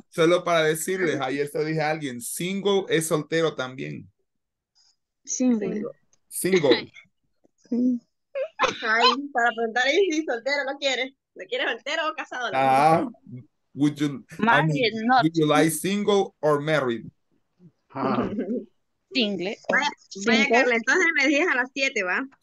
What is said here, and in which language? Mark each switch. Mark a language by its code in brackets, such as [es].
[es] Solo para decirles, ayer se lo dije a alguien, single es soltero también. [en] Single. Single. [es] Ay, para preguntar si soltero no quieres. ¿Lo quieres soltero o casado? [en] Would you, would you like single or married? Single. [es] Vaya, Carla, entonces me dices a las 7, ¿va?